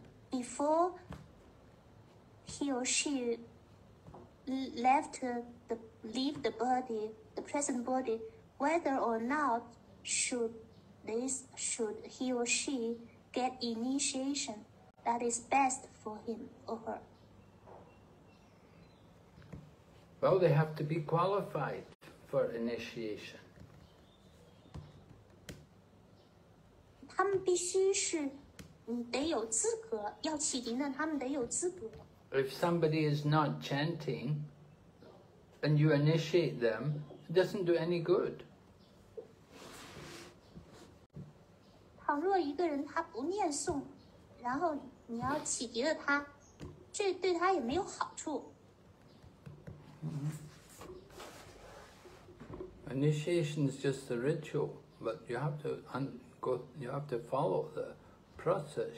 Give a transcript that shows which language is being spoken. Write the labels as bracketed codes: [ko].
[en] before he or she leave the body, the present body, whether or not should he or she get initiation that is best for him or her? Well, they have to be qualified for initiation. [zh] 他们必须是得有资格，要启迪呢，他们得有资格。 [en] If somebody is not chanting and you initiate them, it doesn't do any good. [zh] 倘若一个人他不念诵，然后你要启迪了他，这对他也没有好处。 [en] Initiation is just the ritual, but you have to follow the process.